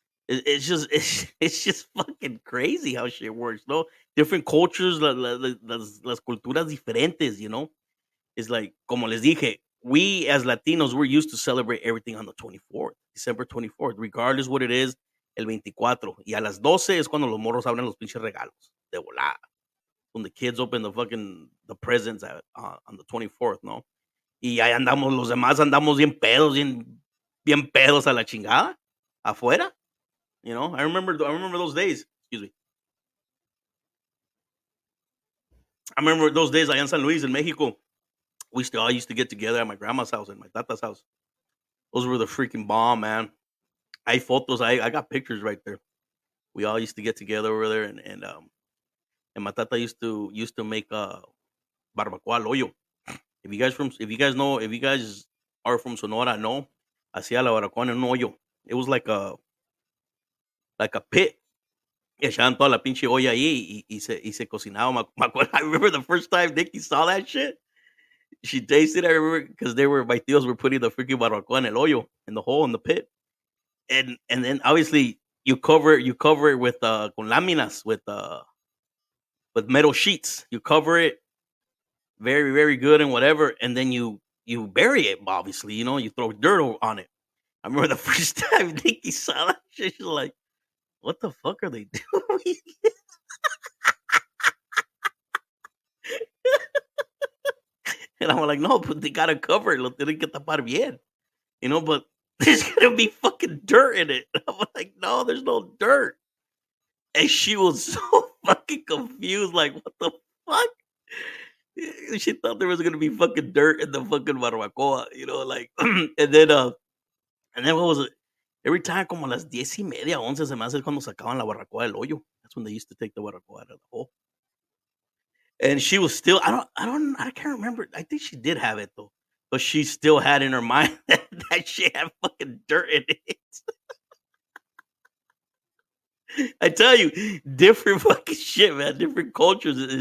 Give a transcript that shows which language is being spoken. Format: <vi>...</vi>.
<en>It's just fucking crazy how shit works, though. Different cultures,</en> <es>las culturas diferentes,</es> <en>you know? It's like,</en> <es>como les dije,</es> <en>we as Latinos, we're used to celebrate everything on the 24th, December 24th, regardless what it is, el 24.</en> <es>Y a las 12 es cuando los morros abren los pinches regalos. De volada.</es> <en>When the kids open the presents on the 24th, no?</en> <es>Y ahí andamos, los demás andamos bien pedos, bien pedos a la chingada, afuera.</es> <en>You know, I remember those days. Excuse me. I remember those days</en> <es>allá en San Luis,</es> <en>in Mexico. We still all used to get together at my grandma's house and my tata's house. Those were the freaking bomb, man.</en> <es>Hay fotos,</es> <en>I got pictures right there. We all used to get together over there, and my tata used to make a barbacoa al hoyo. If you guys are from Sonora,</en> <es>no, hacía la barbacoa en un hoyo.</es> <en>It was like a pit.</en> <es>Echaban toda la pinche olla ahí y se cocinaba.</es> <en>I remember the first time Nikki saw that shit. She tasted it, I remember, because my tios were putting the freaking barbacoa</en> <es>en el hoyo,</es> <en>in the hole, in the pit. And then obviously you cover it with</en> <es>con láminas,</es> <en>with metal sheets. You cover it very, very good and whatever, and then you bury it, obviously, you know, you throw dirt on it. I remember the first time Nikki saw that shit, she's like, what the fuck are they doing? And I'm like, no, but they gotta cover it.</en> <es>Lo tienen que tapar bien.</es> <en>You know, but there's gonna be fucking dirt in it. I'm like, no, there's no dirt. And she was so fucking confused, like, what the fuck? She thought there was gonna be fucking dirt in the fucking barbacoa, you know, like, and then what was it? Every time,</en> <es>como las 10 y media, 11 se me hace cuando sacaban la barbacoa del hoyo.</es> <en>That's when they used to take the barbacoa out of the hole. And she was still, I can't remember. I think she did have it, though. But she still had in her mind that she had fucking dirt in it. I tell you, different fucking shit, man. Different cultures.</en>